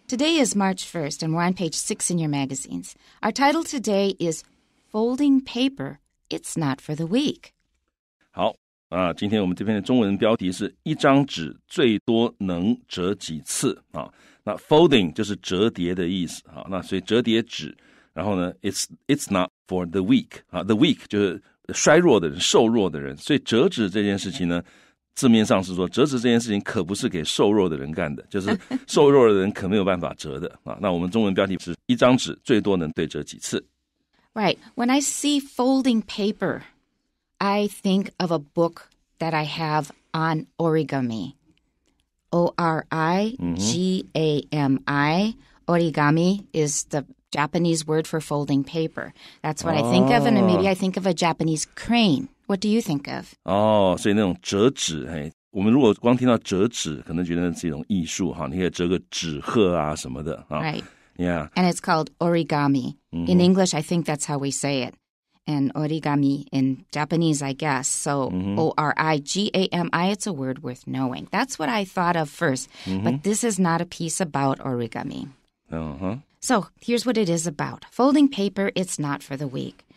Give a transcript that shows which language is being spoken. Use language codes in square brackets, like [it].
[en] Today is March 1st, and we're on page 6 in your magazines. Our title today is Folding Paper, It's Not for the Weak. [zh] 好,今天我们这篇的中文标题是一张纸最多能折几次。那 folding 就是折叠的意思。那所以折叠纸,然后呢, [en] it's not for the weak. [zh] The weak 就是衰弱的人,瘦弱的人。所以折纸这件事情呢,字面上是说折纸这件事情可不是给瘦弱的人干的,就是瘦弱的人可没有办法折的。那我们中文标题是一张纸最多能对折几次。 [en] Right, when I see folding paper, I think of a book that I have on origami. O-R-I-G-A-M-I. Origami is the Japanese word for folding paper. That's what I think of, and maybe I think of a Japanese crane. What do you think of? [zh] Oh, 所以那种折纸，嘿，我们如果光听到折纸，可能觉得那是一种艺术，哈，你可以折个纸鹤啊什么的，啊。 [en] Right. Yeah. And it's called origami. In English, I think that's how we say it. And origami in Japanese, I guess. So O-R-I-G-A-M-I, it's a word worth knowing. That's what I thought of first. But this is not a piece about origami. So here's what it is about. Folding paper, it's not for the weak.